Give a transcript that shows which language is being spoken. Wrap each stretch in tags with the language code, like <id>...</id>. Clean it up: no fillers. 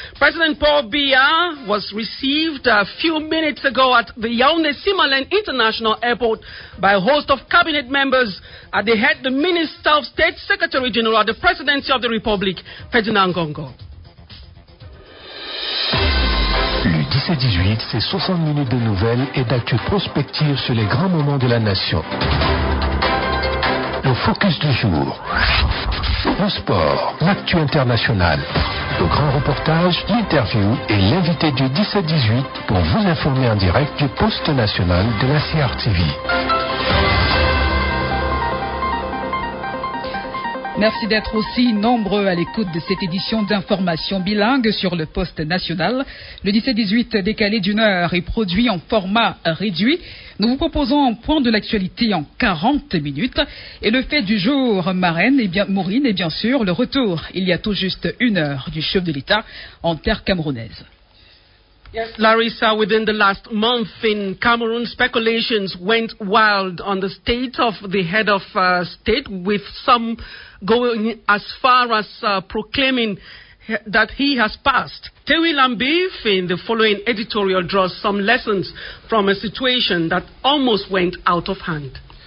<en>President Paul Biya was received a few minutes ago at the Yaoundé Simalène International Airport by a host of cabinet members at the head of the Minister of State Secretary General at the Presidency of the Republic, Ferdinand Gongo.</en> <fr>Le 17-18, c'est 60 minutes de nouvelles et d'actu prospective sur les grands moments de la nation. Le focus du jour, le sport, l'actu internationale, le grand reportage, l'interview et l'invité du 17-18 pour vous informer en direct du poste national de la CRTV. Merci d'être aussi nombreux à l'écoute de cette édition d'information bilingue sur le poste national. Le 17-18 décalé d'une heure est produit en format réduit. Nous vous proposons un point de l'actualité en 40 minutes. Et le fait du jour, Maureen, et bien sûr le retour, il y a tout juste une heure, du chef de l'État en terre camerounaise.</fr> <en>Yes, Larissa, within the last month in Cameroon, speculations went wild on the state of the head of state, with some going as far as proclaiming that he has passed. Tewi Lambif, in the following editorial, draws some lessons from a situation that almost went out of hand.</en>